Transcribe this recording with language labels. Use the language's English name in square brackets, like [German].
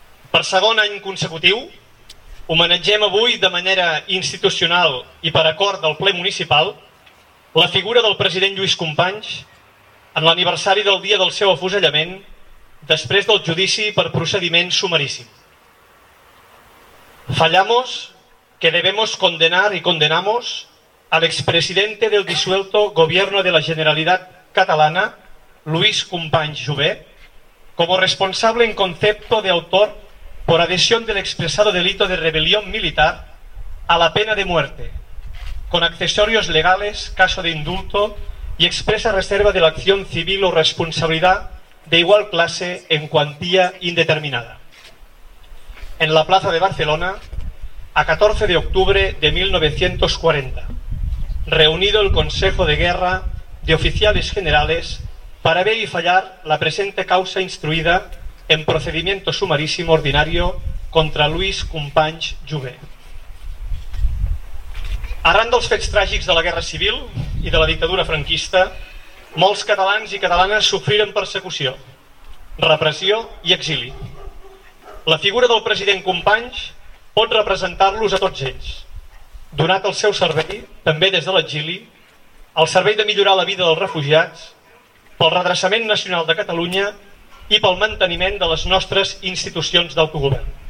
[Catalan] Per segon any consecutiu, homenatgem avui de manera institucional i per acord del ple municipal la figura del president Lluís Companys en l'aniversari del dia del seu afusellament després del judici per procediment sumaríssim. [Spanish] Fallamos que debemos condenar y condenamos al expresidente del disuelto gobierno de la Generalidad Catalana, Lluís Companys Jové, como responsable en concepto de autor por adhesión del expresado delito de rebelión militar a la pena de muerte, con accesorios legales, caso de indulto y expresa reserva de la acción civil o responsabilidad de igual clase en cuantía indeterminada. En la Plaza de Barcelona, a 14 de octubre de 1940, reunido el Consejo de Guerra de Oficiales Generales para ver y fallar la presente causa instruida en procedimiento sumarísimo ordinario contra Lluís Companys Jové. [Catalan] Arran dels fets tràgics de la Guerra Civil i de la dictadura franquista, molts catalans i catalanes sofriren persecució, repressió i exili. La figura del president Companys pot representar-los a tots ells, donat el seu servei, també des de l'exili, el servei de millorar la vida dels refugiats, pel redreçament nacional de Catalunya i pel manteniment de les nostres institucions d'autogovern.